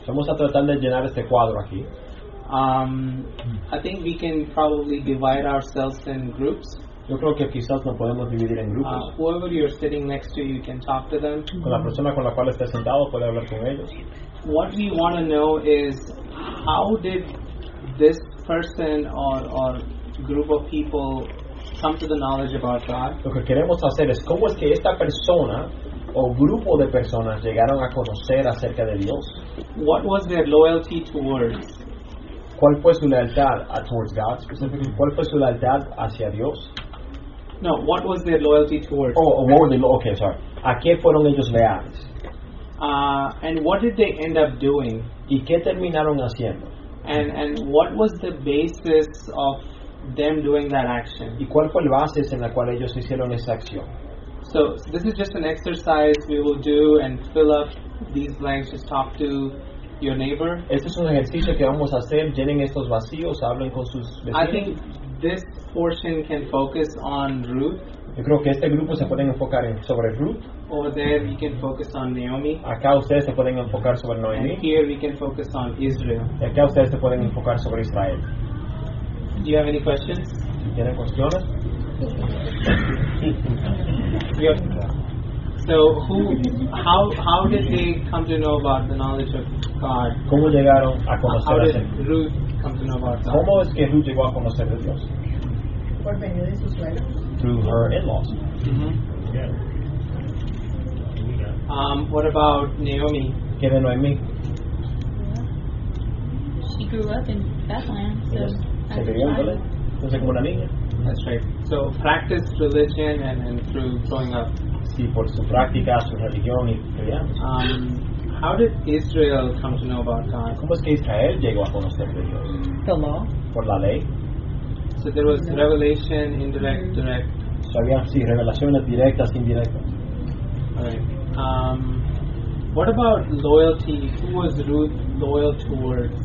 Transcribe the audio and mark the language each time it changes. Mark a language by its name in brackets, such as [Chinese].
[Spanish] Vamos a tratar de llenar este cuadro aquí. [English] I think we can probably divide ourselves in groups. [Spanish] Yo creo que quizás nos podemos dividir en grupos. [English] Whoever you're sitting next to, you can talk to them. [Spanish] Con la persona con la cual estés sentado, puede hablar con ellos. [English] What we want to know is how did this person or group of people come to the knowledge about God? [Spanish] Lo que queremos hacer es cómo es que esta persona o grupo de personas llegaron a conocer acerca de Dios. [English] What was their loyalty towards? [Spanish] ¿Cuál fue su lealtad [English] towards God? Specifically, [Spanish] ¿cuál fue su lealtad hacia Dios? [English] No, what was their loyalty towards? [Spanish] ¿A qué fueron ellos leales? [English] And what did they end up doing? [Spanish] ¿Y qué terminaron haciendo? [English] And what was the basis of them doing that action? [Spanish] ¿Y cuál fue la base en la cual ellos hicieron esa acción? [English] So this is just an exercise we will do and fill up these blanks. Just talk to your neighbor. [Spanish] Este es un ejercicio que vamos a hacer. Llenen estos vacíos. Hablen con sus vecinos. [English] I think this portion can focus on Ruth. [Spanish] Yo creo que este grupo se pueden enfocar en sobre Ruth. [English] Over there we can focus on Naomi. [Spanish] Acá ustedes se pueden enfocar sobre Noemi. [English] And here we can focus on Israel. [Spanish] Y acá ustedes se pueden enfocar sobre Israel. [English] Do you have any questions? [Spanish] ¿Tienen cuestiones? [English] So who, how did they come to know about the knowledge of God? [Spanish] ¿Cómo llegaron a conocer? [English] How did Ruth come to know about God? [Spanish] ¿Cómo es que Ruth llegó a conocer a Dios? Por medio de sus suegros. [English] Through her in-laws. Mm-hmm. Yeah. What about Naomi? [Spanish] ¿Qué de Noemi? [English] She grew up in Bethlehem, so. [Spanish] Entonces, como una niña. [English] That's right. So practice religion and through growing up. [Spanish] Sí, por su práctica, su religión y creyendo. [English] How did Israel come to know about God? [Spanish] ¿Cómo es que Israel llegó a conocer de Dios? [English] The law. [Spanish] Por la ley. So there was revelation, indirect, direct. So había, sí, revelaciones directas, indirectas. [English] All right. What about loyalty? Who was Ruth loyal towards?